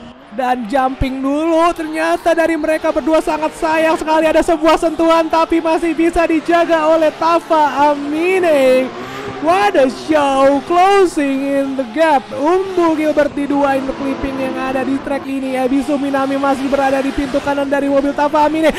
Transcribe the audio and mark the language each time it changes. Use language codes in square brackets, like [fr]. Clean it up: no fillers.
[id] Dan jumping dulu, ternyata dari mereka berdua sangat sayang sekali ada sebuah sentuhan, tapi masih bisa dijaga oleh Tafa Amine. [en] What a show, closing in the gap. [id] Umbu Gilbert di dua [en] in the clipping [id] yang ada di track ini. Ebisu Minami masih berada di pintu kanan dari mobil Tafa Amine.